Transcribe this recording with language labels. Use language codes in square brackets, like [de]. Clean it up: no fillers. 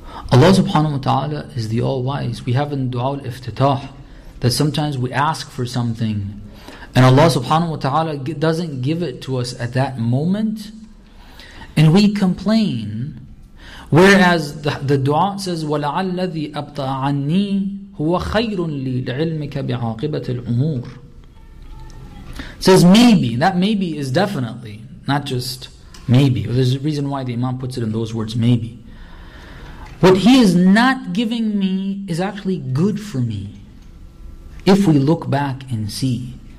[en] Allah subhanahu wa ta'ala is the all-wise. We have in dua al-iftitah that sometimes we ask for something and Allah subhanahu wa ta'ala doesn't give it to us at that moment and we complain. Whereas the dua says, [ar] وَلَعَلَّذِي أَبْطَعَنِّي هُوَ خَيْرٌ لِي لِعِلْمِكَ بِعَاقِبَةِ الْأُمُورِ. [en] Says maybe, that maybe is definitely, not just maybe. There's a reason why the Imam puts it in those words, maybe. What He is not giving me is actually good for me. If we look back and see.